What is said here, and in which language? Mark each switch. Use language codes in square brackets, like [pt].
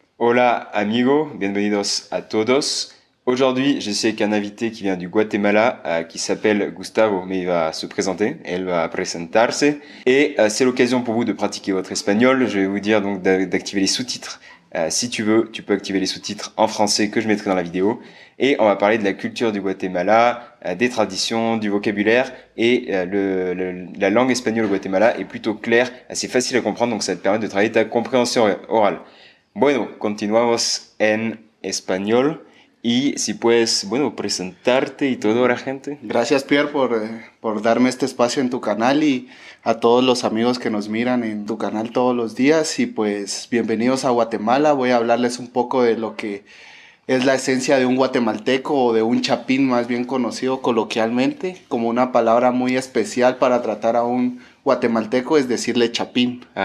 [es] Hola amigo, bienvenidos a todos. [fr] Aujourd'hui, je suis avec un invité qui vient du Guatemala, qui s'appelle Gustavo, mais il va se présenter, elle [es] va presentarse. [fr] Et c'est l'occasion pour vous de pratiquer votre espagnol. Je vais vous dire donc d'activer les sous-titres. Si tu veux, tu peux activer les sous-titres en français que je mettrai dans la vidéo. Et on va parler de la culture du Guatemala, des traditions, du vocabulaire. Et la langue espagnole au Guatemala est plutôt claire, assez facile à comprendre, donc ça te permet de travailler ta compréhension orale. [es] Bueno, continuamos en español y si puedes, bueno, presentarte y todo a la gente. Gracias, Pierre, por darme este espacio en tu canal y a todos los amigos que nos miran en tu canal todos los días. Y pues bienvenidos a Guatemala. Voy a hablarles un poco de lo que es la esencia de un guatemalteco o de un chapín, más bien conocido coloquialmente, como una palabra muy especial para tratar a un guatemalteco, es decirle chapín.